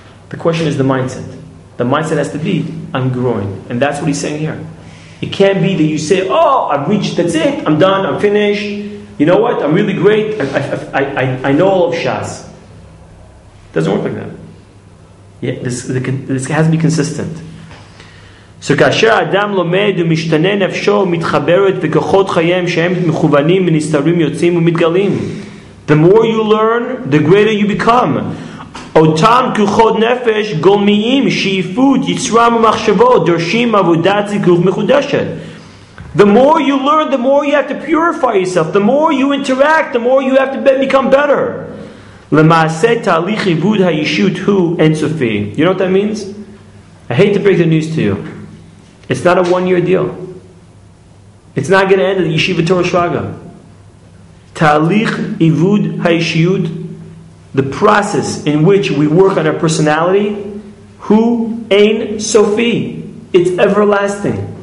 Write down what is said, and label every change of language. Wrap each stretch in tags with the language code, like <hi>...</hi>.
<en>The question is the mindset. The mindset has to be, I'm growing. And that's what he's saying here. It can't be that you say, oh, I've reached, that's it, I'm done, I'm finished. You know what, I'm really great, I know all of Shas. It doesn't work like that. Yeah, this has to be consistent.</en> <he>So, כאשר אדם לומד ומשתנה נפשו ומתחברת וכוחות חייהם שהם מכוונים ונסתרים יוצאים ומתגלים.</he> <en>The more you learn, the greater you become.</en> <he>אותם כוחות נפש גולמיים, שאיפות, יצרם ומחשבות, דורשים עבודת זיכוך מחודשת.</he> <en>The more you learn, the more you have to purify yourself. The more you interact, the more you have to become better.</en> <he>למעשה תהליך עיבוד הישות הוא אינסופי.</he> <en>You know what that means? I hate to break the news to you. It's not a one-year deal. It's not going to end at the Yeshiva Torah Shraga.</en> <he>תהליך עיבוד הישות,</he> <en>the process in which we work on our personality, who ain Sophi, it's everlasting.</en>